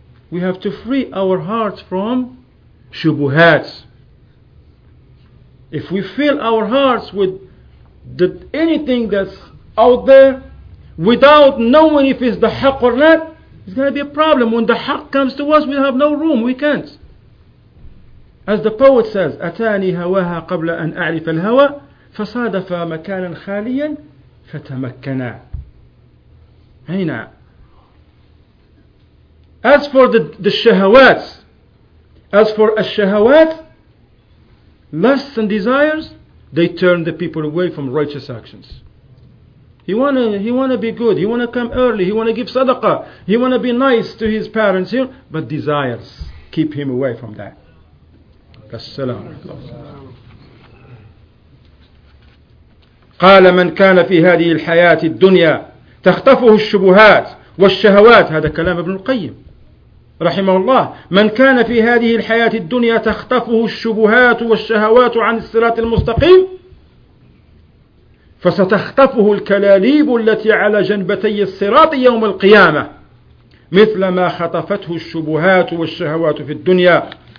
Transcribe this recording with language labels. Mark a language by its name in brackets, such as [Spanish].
[English] We have to free our hearts from shubuhats. If we fill our hearts with anything that's out there without knowing if it's the haqq or not, it's going to be a problem. When the haqq comes to us, we have no room. We can't. As the poet says, [Arabic] أتاني هواها قبل أن أعرف الهوى فصادف مكانا خاليا فتمكنا. هنا. [English] As for the shahawats, as for الشهوات, lusts and desires, they turn the people away from righteous actions. He wanna be good. He wanna come early. He wanna give sadaqah. He wanna be nice to his parents here. But desires keep him away from that. [Arabic] السلام. قال من كان في هذه الحياة الدنيا تخطفه الشبهات والشهوات. هذا كلام ابن القيم رحمه الله. من كان في هذه الحياة الدنيا تخطفه الشبهات والشهوات عن الصراط المستقيم فستخطفه الكلاليب التي على جنبتي الصراط يوم القيامة مثل ما خطفته الشبهات والشهوات في الدنيا.